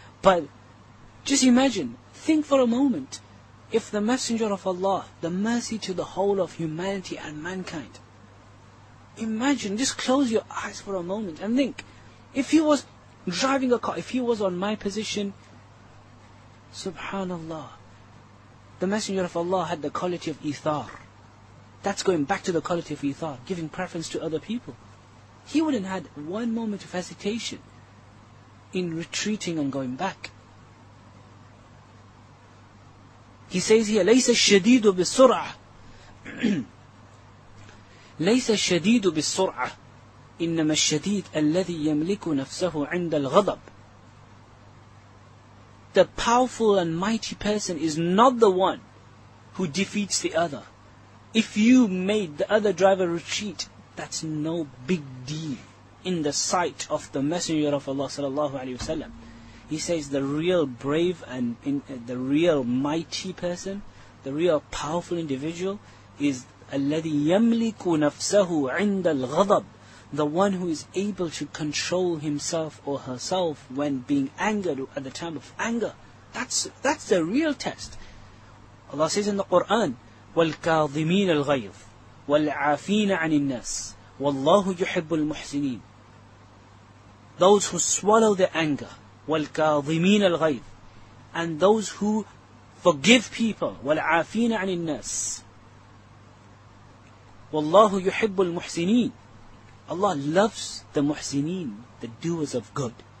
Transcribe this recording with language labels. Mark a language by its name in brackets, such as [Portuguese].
[English] But just imagine, think for a moment, if the Messenger of Allah, the mercy to the whole of humanity and mankind, imagine, just close your eyes for a moment and think, if he was driving a car, if he was on my position, subhanallah, the Messenger of Allah had the quality of ithar. That's going back to the quality of ithar, giving preference to other people. He wouldn't have had one moment of hesitation in retreating and going back. [Arabic] He says here, لَيْسَ الشَّدِيدُ بِالسُّرْعَةِ لَيْسَ الشَّدِيدُ بِالسُّرْعَةِ إِنَّمَا الشَّدِيدُ الَّذِي يَمْلِكُ نَفْسَهُ عِنْدَ الْغَضَبِ. [English] The powerful and mighty person is not the one who defeats the other. If you made the other driver retreat, that's no big deal in the sight of the Messenger of Allah sallallahu alaihi wasallam. He says the real brave and the real mighty person, the real powerful individual, is [Arabic] الَّذِي يَمْلِكُ نَفْسَهُ عِنْدَ الْغَضَبِ, [English] the one who is able to control himself or herself when being angered at the time of anger. That's the real test. [Arabic] Allah says in the Quran, وَالْكَاظِمِينَ الْغَيْظِ وَالْعَافِينَ عَنِ النَّاسِ وَاللَّهُ يُحِبُّ الْمُحْسِنِينَ. [English] Those who swallow their anger, [Arabic] وَالْكَاظِمِينَ الْغَيْظِ, [English] and those who forgive people, [Arabic] وَالْعَافِينَ عَنِ النَّاسِ وَاللَّهُ يُحِبُّ الْمُحْسِنِينَ. [English] Allah loves the muhsineen, the doers of good.